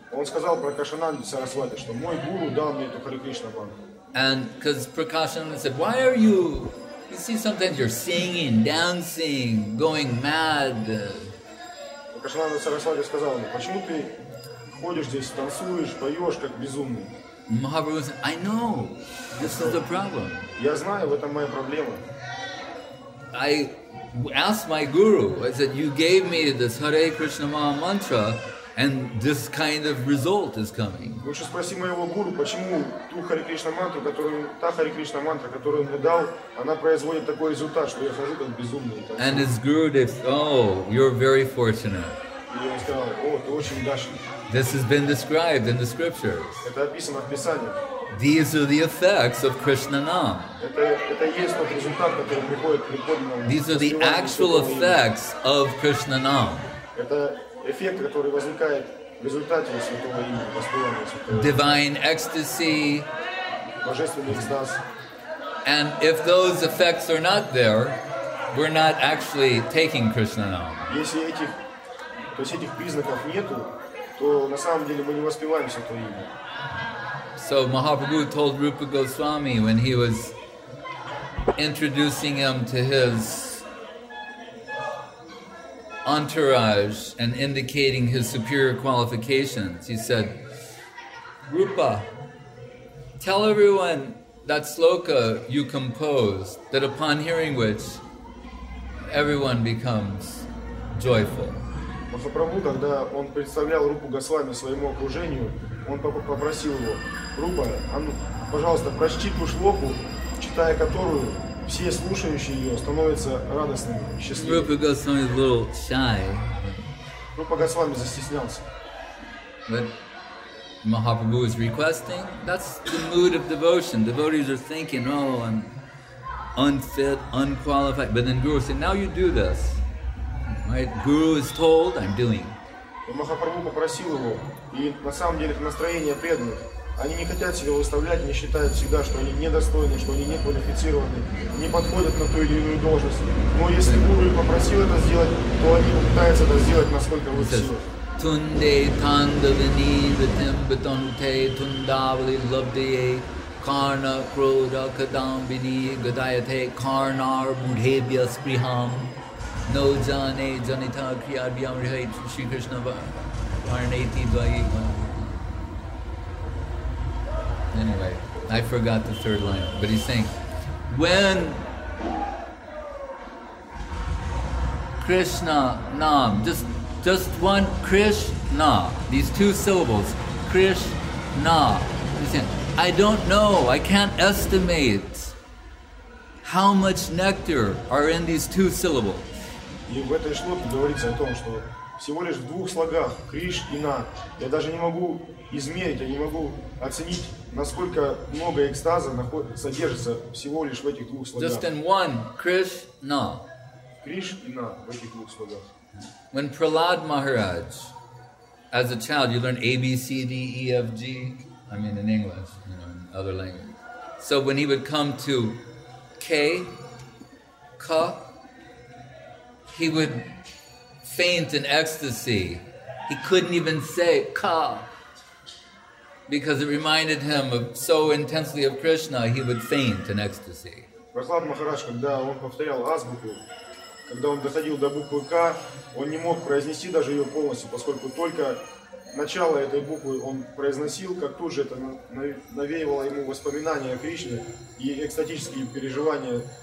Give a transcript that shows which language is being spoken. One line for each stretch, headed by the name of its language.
Russian: Он сказал Прокашананде Сарасвати, что мой гуру дал мне эту Hare Krishna Mantra.
English: And because Prakashananda said, why are you, you see sometimes you're singing, dancing, going mad.
Russian: Прокашананда Сарасвати сказал ему, почему ты ходишь здесь, танцуешь, поешь как безумный?
English: Mahaprabhu said, I know, this is the problem.
Russian: Я знаю, в этом моя проблема.
English: I asked my guru, I said, you gave me this Hare Krishna Maha Mantra, and this kind of result is coming.
Russian: Лучше спроси моего гуру, почему ту Hare Krishna Mantra, которую, та Hare Krishna Mantra, которую он мне дал, она производит такой результат, что я хожу как безумный.
English: And his guru said, oh, you're very fortunate.
Russian: И он сказал, о, ты очень удачный.
English: This has been described in the scriptures.
Russian: Это описано в Писаниях.
English: These are the effects of Krishnanam.
Russian: Это есть тот результат, который приходит при подлинном.
English: These are the actual effects of Krishnanam.
Russian: Это эффект, который возникает в результате святого имени, постоянного святого.
English: Divine ecstasy.
Russian: Божественный экстаз.
English: And if those effects are not there, we're not actually taking Krishnanam.
Russian: Если этих, то есть этих признаков нету, то на самом деле мы не воспеваем святое имя.
English: So Mahaprabhu told Rupa Goswami when he was introducing him to his entourage and indicating his superior qualifications, he said, Rupa, tell everyone that sloka you composed, that upon hearing which everyone becomes joyful.
Russian: Махапрабху, когда он представлял Рупу Госвами своему окружению, он попросил его, Рупа, пожалуйста, прочти ту шлоку, читая которую, все слушающие ее становятся радостными, счастливыми.
English: Рупа Госвами a little shy.
Russian: Рупа Госвами застеснялся.
English: But Mahaprabhu is requesting, that's the mood of devotion. Devotees are thinking, oh, I'm unfit, unqualified. But then Guru said, now you do this. Right, Guru is told, I'm doing.
Russian: Махапрабху попросил его, и на самом деле это настроение преданных. Они не хотят себя выставлять, они считают всегда, что они недостойны, что они не квалифицированы, не подходят на ту или иную должность. Но если Guru попросил это сделать, то они пытаются это сделать, насколько в их силах.
Sanskrit: Тунде тандавини витим бетонте тундавли лабдие карна крода кадамбини гадаяте карнар будхебья сприхам. No jane janita kriya bhyam rihai Shri Krishna varnati dvayi.
English: Anyway, I forgot the third line, but he's saying, when Krishna nam, just one Krishna, these two syllables, Krishna, he's saying, I don't know, I can't estimate how much nectar are in these two syllables.
Russian: И в этой шлоке говорится о том, что всего лишь в двух слогах Криш и На я даже не могу измерить, я не могу оценить, насколько много экстаза содержится всего лишь в этих двух слогах.
English: Just in one Криш На.
Russian: Криш и На в этих двух слогах.
English: When Prahlad Maharaj, as a child, you learn A B C D E F G, I mean in English, you know, in other languages. So when he would come to K, Ka. He would faint in ecstasy. He couldn't even say ka because it reminded him of so intensely of Krishna. He would faint in ecstasy.
Russian: Prahlad Maharaj, когда он повторял азбуку, когда он доходил до буквы К, он не мог произнести даже ее полностью, поскольку только начало этой буквы он произносил, как тут же это навеивало ему воспоминания о Кришне и экстатические переживания.